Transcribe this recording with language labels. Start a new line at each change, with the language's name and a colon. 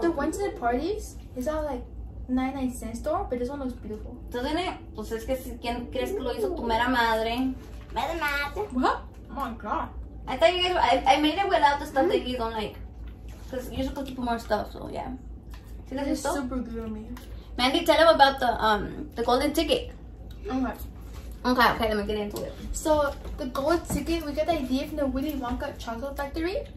English: The ones at the parties, it's all like 99 cent store, but this one looks beautiful. Doesn't it?
Spanish: Pues es que si, ¿quién crees que lo hizo tu mera madre? Mera madre.
English: What? Oh my god. I thought you guys, I made it without the stuff that you don't like. Because you're supposed to put more stuff, so yeah. See, this is stuff? Super good on me. Mandy, tell him about the golden ticket. Okay, let me get into it. So, the gold ticket, we got the idea from the Willy Wonka Chocolate Factory.